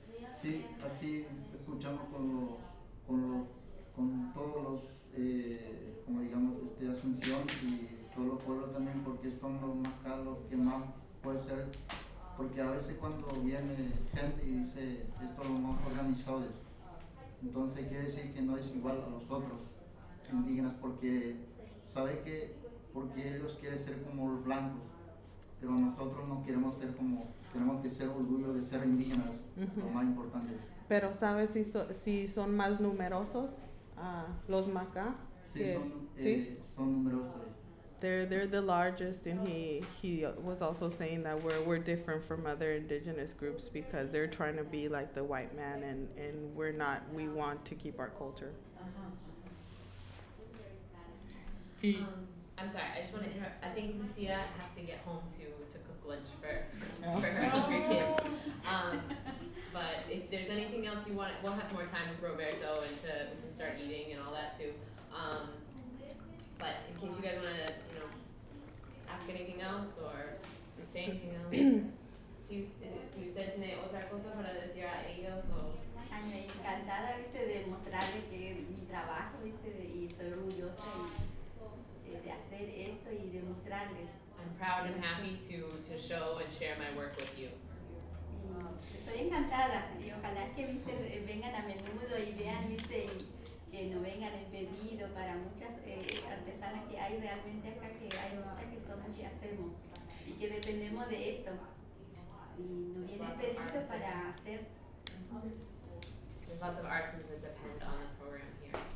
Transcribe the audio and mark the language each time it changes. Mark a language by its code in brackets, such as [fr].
[es] Sí, así escuchamos con todos los, como digamos, Asunción y todos los pueblos también, porque son los que más puede ser, porque a veces cuando viene gente y dice, esto es lo más organizado, entonces quiere decir que no es igual a los otros indígenas, porque, ¿sabe qué? Porque ellos quieren ser como los blancos. Pero nosotros no queremos ser como, tenemos que ser orgullo de ser indígenas, uh-huh. Lo más importante es. Pero ¿sabes si son más numerosos los Maca? Sí, son numerosos. [en] They're the largest, and he was also saying that we're different from other indigenous groups because they're trying to be like the white man, and we're not, we want to keep our culture. Uh-huh. He. I'm sorry, I just want to interrupt. I think Lucia has to get home to cook lunch for her hungry kids. But if there's anything else you want, we'll have more time with Roberto and we can start eating and all that too. But in case you guys want to, you know, ask anything else or say anything else. [es] Si usted tiene otra cosa para decir a ellos o... Me encantada, viste, de mostrarle que mi trabajo, viste, y estoy orgullosa y... De hacer esto y demostrarle. [en] I'm proud and happy to show and share my work with you. [es] Estoy encantada y ojalá que viste vengan a menudo y vean viste que no vengan en pedido para muchas artesanas que hay realmente acá que hay muchas que somos y hacemos y que dependemos de esto y no viene en pedido para hacer. [en] There's lots of artisans that depend on the program here.